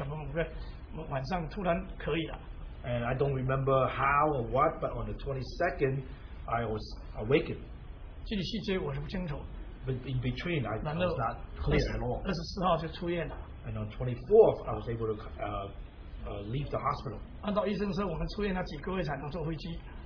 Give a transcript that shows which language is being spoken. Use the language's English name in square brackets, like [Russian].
[Chinese] 但是我现在不清楚是好像22号还是什么晚上突然可以了。 [English] And I don't remember how or what, but on the 22nd, I was awakened. [Chinese] 具体细节我是不清楚。 [English] But in between, I was not clear at all. [Chinese] 24号就出院了。 [English] And on 24th, I was able to leave the hospital. [Chinese] 按照医生说，我们出院了几个月才能坐飞机。